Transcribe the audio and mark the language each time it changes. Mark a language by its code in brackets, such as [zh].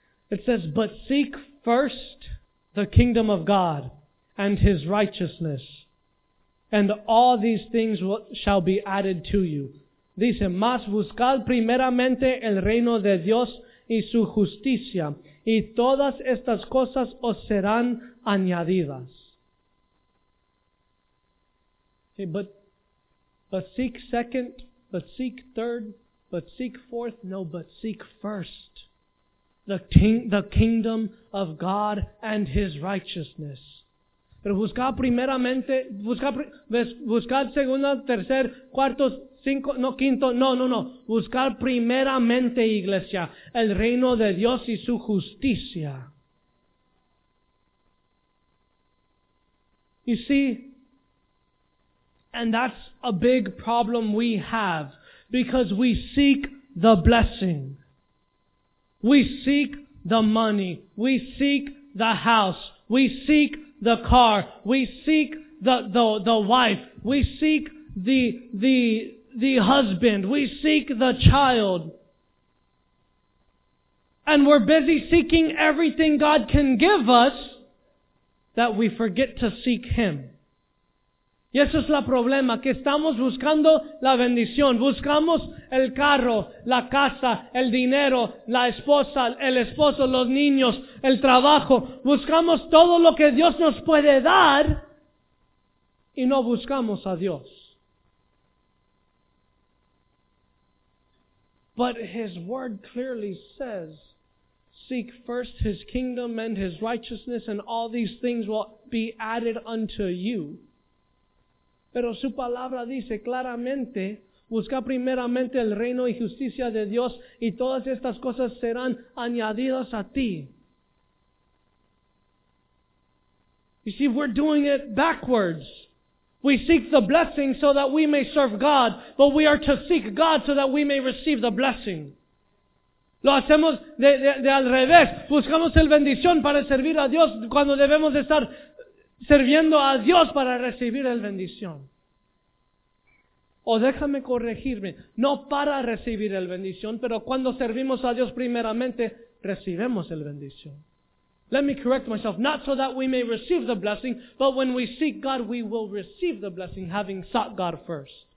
[en] It says, but seek first the kingdom of God and His righteousness, and all these things shall be added to you. [es] Dice, mas buscad primeramente el reino de Dios y su justicia, y todas estas cosas os serán añadidas. [en] Okay, but seek first. The kingdom of God and His righteousness. [es] Pero buscad primeramente, buscad segunda, tercer, cuarto, cinco, no quinto, no. Buscad primeramente, iglesia, el reino de Dios y su justicia. [en] You see, and that's a big problem we have, because we seek the blessing. We seek the money. We seek the house. We seek the car. We seek the wife. We seek the the husband. We seek the child. And we're busy seeking everything God can give us that we forget to seek Him. [es] Y eso es el problema, que estamos buscando la bendición. Buscamos el carro, la casa, el dinero, la esposa, el esposo, los niños, el trabajo. Buscamos todo lo que Dios nos puede dar y no buscamos a Dios. [en] But His Word clearly says, seek first His kingdom and His righteousness and all these things will be added unto you. [es] Pero su palabra dice claramente, busca primeramente el reino y justicia de Dios y todas estas cosas serán añadidas a ti. [en] You see, we're doing it backwards. We seek the blessing so that we may serve God, but we are to seek God so that we may receive the blessing. [es] Lo hacemos de al revés. Buscamos el bendición para servir a Dios cuando debemos estar sirviendo a Dios para recibir el bendición. O déjame corregirme, no para recibir el bendición, pero cuando servimos a Dios primeramente, recibimos el bendición. [en] Let me correct myself, not so that we may receive the blessing, but when we seek God, we will receive the blessing, having sought God first.